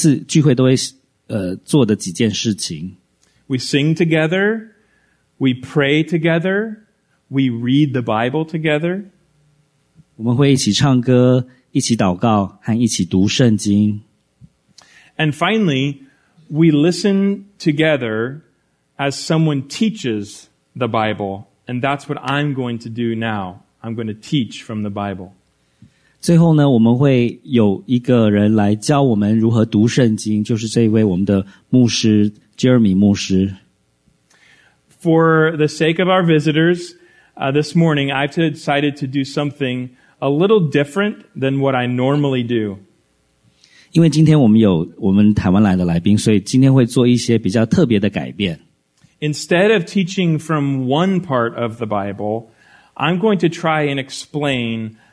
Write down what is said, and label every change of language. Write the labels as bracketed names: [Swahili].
[Chinese] 我们这是一个基督教的教会，所以我们会有一定的每次聚会都会做的几件事情。 [English] We sing together, we pray together, we read the Bible together. [Chinese] 我们会一起唱歌，一起祷告，和一起读圣经。And [English] finally, we listen together as someone teaches the Bible, and that's what I'm going to do now. I'm going to teach from the Bible. [Chinese] 最后呢，我们会有一个人来教我们如何读圣经，就是这位我们的牧师 Jeremy 牧师。For [English] the sake of our visitors, this morning I've decided to do something a little different than what I normally do. [Chinese] 因为今天我们有我们台湾来的来宾，所以今天会做一些比较特别的改变。Instead [English] of teaching from one part of the Bible, I'm going to try and explain